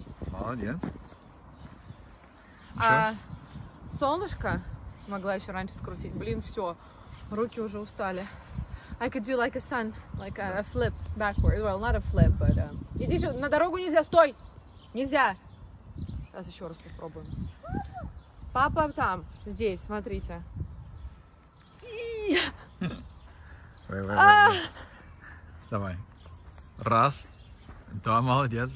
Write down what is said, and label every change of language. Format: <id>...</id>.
<ru>Молодец. А солнышко могла еще раньше скрутить. Блин, все, руки уже устали.</ru> <en>I could do like a sun, like a flip backwards. Well, not a flip, but...</en> <ru>Иди же, на дорогу нельзя, стой! Нельзя! Сейчас еще раз попробуем. Папа там, здесь, смотрите. Wait. Давай. Раз, два, молодец.</ru>